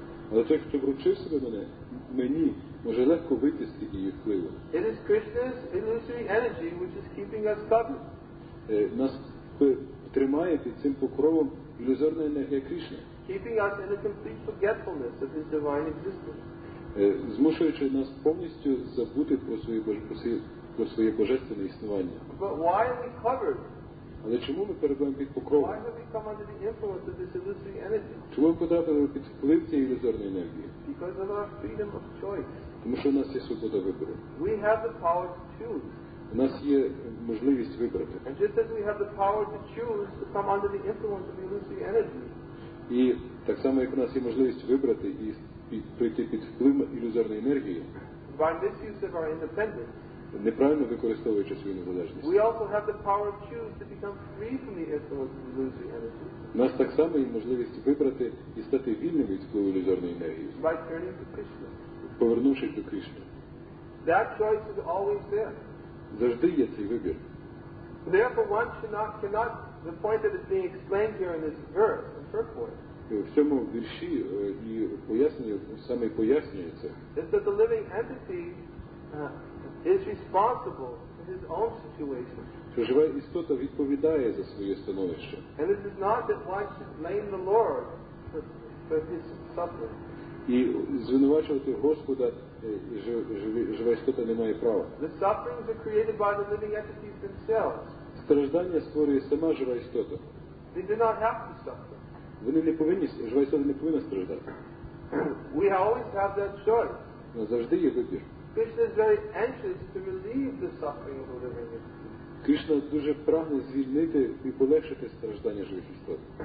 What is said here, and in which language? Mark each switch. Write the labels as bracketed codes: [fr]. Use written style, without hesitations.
[uk] Але той, хто вручив себе мені, може легко вийти з її впливу. [en] It is Krishna's illusory energy which is keeping us covered. [uk] Нас тримає під цим покровом ілюзорна енергія Кришни. [en] Keeping us in a complete forgetfulness of his divine existence. [uk] Змушуючи нас повністю забути про своє божественне існування. [en] But why are we covered? [uk] Але чому ми перебуваємо під покровом? [en] Why have we come under the influence of this illusory energy? [uk] Чому ми потрапили під вплив цієї ілюзорної енергії? [en] Because of our freedom of choice. [uk] Тому що у нас є свобода вибору. [en] We have the power to choose. [uk] У нас є можливість вибрати. [en] And just as we have the power to choose to come under the influence of the illusory energy. [uk] І так само, як у нас є можливість вибрати і прийти під вплив ілюзорної енергії, [en] by misuse of our independence, [uk] неправильно використовуючи свою незалежність, [en] we also have the power to choose to become free from the influence of illusory energy. [uk] Нас так само є можливість вибрати і стати вільним від впливу ілюзорної енергії, [en] by turning to Krishna, [uk] повернувшись до Кришни. [en] That choice is always there. [uk] Завжди є цей вибір. [en] Therefore one cannot the point that is being explained here in this verse, in first point, [uk] в цьому вірші і пояснює, саме пояснюється, [en] is that the living entity is responsible for his own situation. [uk] Що жива істота відповідає за своє становище. [en] And it is not that one should blame the Lord for his suffering. [uk] і звинувачувати Господа живе істота не має права. [en] The sufferings are created by the living entities themselves. [uk] Страждання створює сама жива істота. [en] They do not have to suffer. [uk] Вони не повинні, жива істота не повинна страждати. [en] We always have that choice. [uk] Ну, завжди є вибір. [en] Krishna is very anxious to relieve the suffering of the living entities. [uk] Кришна дуже прагне звільнити і полегшити страждання живих істот.